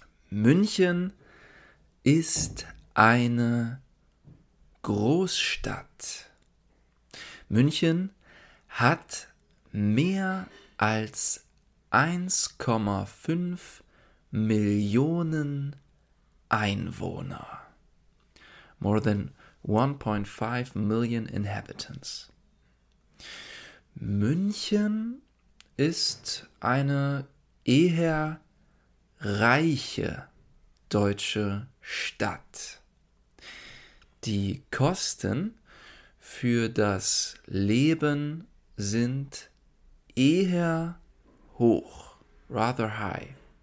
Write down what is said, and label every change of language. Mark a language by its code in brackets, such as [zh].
[de] München ist eine Großstadt. München hat mehr als 1,5 Millionen Einwohner. [en] More than 1.5 million inhabitants. [de] München ist eine eher reiche deutsche Stadt. Die Kosten für das Leben sind eher hoch, [en] rather high.